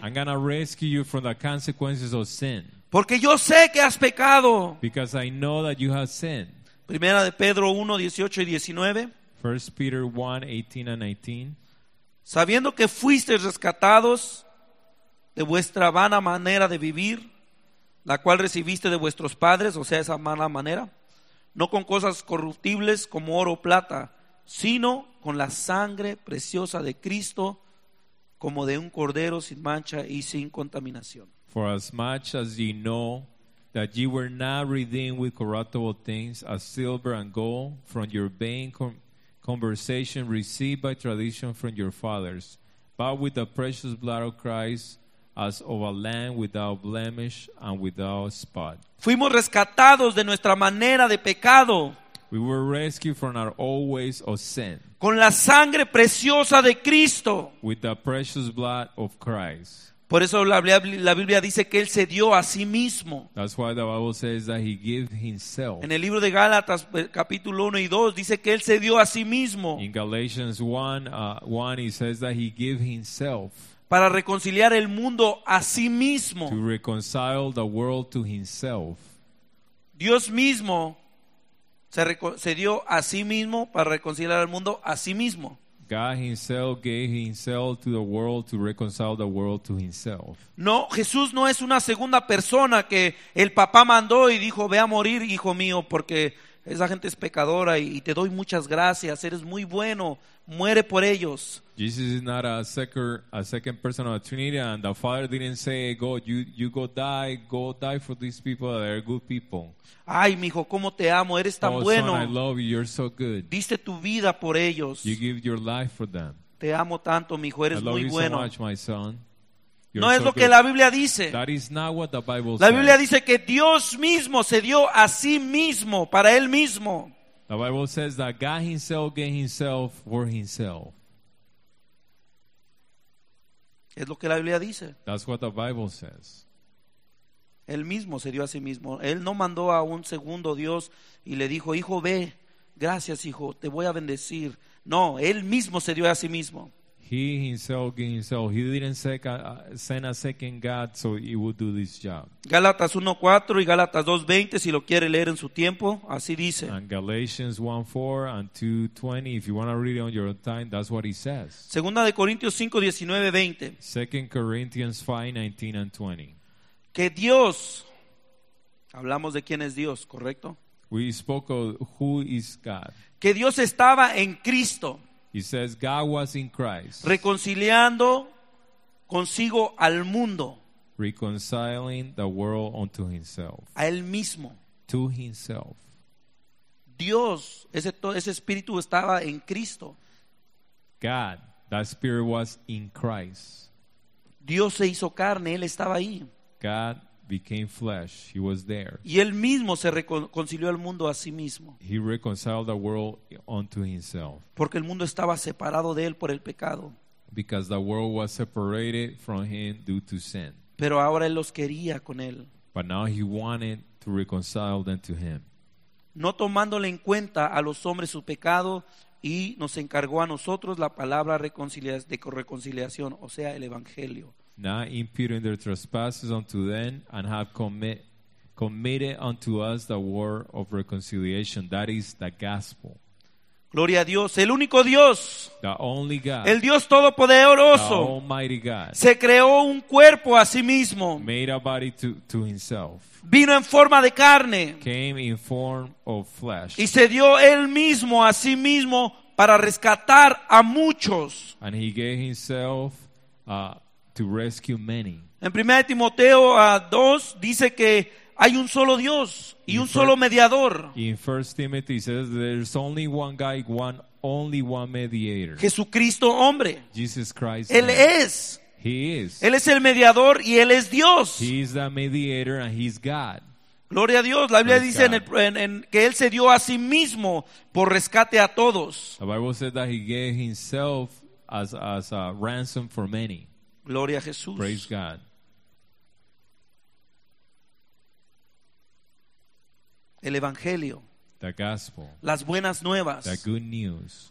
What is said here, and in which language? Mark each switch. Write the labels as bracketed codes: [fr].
[en] I'm gonna rescue you from the consequences of sin. [es] Porque yo sé que has pecado. [en] Because I know that you have sinned. [es] Primera de Pedro 1, 18 y 19. [en] First Peter 1, 18 and 19. [es] Sabiendo que fuisteis rescatados de vuestra vana manera de vivir, la cual recibiste de vuestros padres, o sea, esa mala manera, no con cosas corruptibles como oro o plata, sino con la sangre preciosa de Cristo, como de un cordero sin mancha y sin contaminación. [en] For as much as ye know that ye were not redeemed with corruptible things, as silver and gold, from your vain conversation received by tradition from your fathers, but with the precious blood of Christ, as of a lamb without blemish and without spot. [es] Fuimos rescatados de nuestra manera de pecado. [en] We were rescued from our old ways of sin. [es] Con la sangre preciosa de Cristo. [en] With the precious blood of Christ. [es] Por eso la Biblia dice que Él se dio a sí mismo. [en] That's why the Bible says that He gave Himself. [es] En el libro de Gálatas, capítulo 1 y 2, dice que Él se dio a sí mismo. [en] In Galatians 1, He says that He gave Himself. [es] Para reconciliar el mundo a sí mismo. [en] To reconcile the world to Himself. [es] Dios mismo se dio a sí mismo para reconciliar al mundo a sí mismo. [en] God Himself gave Himself to the world to reconcile the world to Himself. [es] No, Jesús no es una segunda persona que el papá mandó y dijo, ve a morir, hijo mío, porque esa gente es pecadora y te doy muchas gracias, eres muy bueno, muere por ellos. [en] Jesus is not a second person of the Trinity, and the Father didn't say, go die for these people that are good people. [es] Ay, mijo, cómo te amo, eres tan bueno. [en] Son, I love you, you're so good. [es] Diste tu vida por ellos. [en] You give your life for them. [es] Te amo tanto, mijo, eres muy bueno. [en] I love you so much, my son. [es] No es lo que la Biblia dice. [en] That is not what the Bible says. [es] La Biblia dice que Dios mismo se dio a sí mismo, para Él mismo. [en] The Bible says that God Himself gave Himself for Himself. [es] Es lo que la Biblia dice. [en] That's what the Bible says. [es] Él mismo se dio a sí mismo. Él no mandó a un segundo Dios y le dijo, hijo, ve. Gracias, hijo, te voy a bendecir. No, Él mismo se dio a sí mismo. [en] He Himself gave Himself. He didn't send a second God so He would do this job. [es] Galatas 1:4 y Galatas 2:20, si lo quiere leer en su tiempo, así dice. [en] And Galatians 1:4 and 2:20, if you want to read it on your time, that's what he says. [es] Segunda de Corintios 5:19-20. [en] 2 Corinthians 5:19-20. [es] Que Dios, hablamos de quién es Dios, ¿correcto? [en] We spoke of who is God. [es] Que Dios estaba en Cristo. [en] He says God was in Christ. [es] Reconciliando consigo al mundo. [en] Reconciling the world unto Himself. [es] A Él mismo. [en] To Himself. [es] Dios, ese espíritu estaba en Cristo. [en] God, that spirit was in Christ. [es] Dios se hizo carne, Él estaba ahí. [en] God became flesh, He was there. [es] Y Él mismo se reconcilió al mundo a sí mismo. [en] He reconciled the world unto Himself. [es] Porque el mundo estaba separado de Él por el pecado. [en] Because the world was separated from Him due to sin. [es] Pero ahora Él los quería con Él. [en] But now He wanted to reconcile them to Him. [es] No tomándole en cuenta a los hombres su pecado, y nos encargó a nosotros la palabra de reconciliación, o sea, el Evangelio. [en] Not imputing their trespasses unto them, and have committed unto us the word of reconciliation. That is the gospel. [es] Gloria a Dios, el único Dios. [en] The only God. [es] El Dios todopoderoso. [en] The almighty God. [es] Se creó un cuerpo a sí mismo. [en] Made a body to Himself. [es] Vino en forma de carne. [en] Came in form of flesh. [es] Y se dio Él mismo a sí mismo para rescatar a muchos. [en] And He gave Himself to rescue many. [es] En 1 Timoteo 2 dice que hay un solo Dios y un solo mediador. [en] In 1 Timothy says there's only one guy, only one mediator. [es] Jesucristo hombre. [en] Jesus Christ. [es] Él es. [en] He is. [es] Él es el mediador y Él es Dios. [en] He is the mediator and He's God. [es] Gloria a Dios. La Biblia dice en que Él se dio a sí mismo por rescate a todos. [en] The Bible says that He gave Himself as a ransom for many. [es] Gloria a Jesús. [en] Praise God. [es] El Evangelio. [en] The gospel. [es] Las buenas nuevas. [en] The good news.